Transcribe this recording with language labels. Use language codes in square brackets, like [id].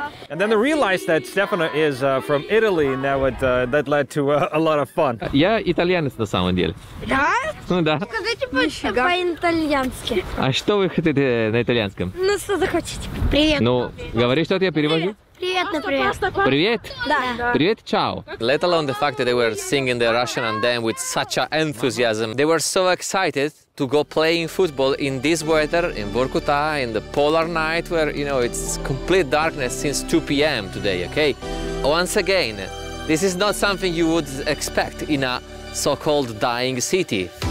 [en] And then they realized that Stefano is from Italy, and that would, that led to a lot of fun. [ru] Я итальянец на самом деле. Да? Ну да. Скажите по-итальянски. А что вы хотите на итальянском? Ну что захотите? Привет. Ну, говори, что я перевожу. Привет, привет. Привет. Привет, чао. [en] Let alone the fact that they were singing the Russian anthem with such an enthusiasm. They were so excited to go playing football in this weather, in Vorkuta, in the polar night where, you know, it's complete darkness since 2 p.m. today, okay? Once again, this is not something you would expect in a so-called dying city.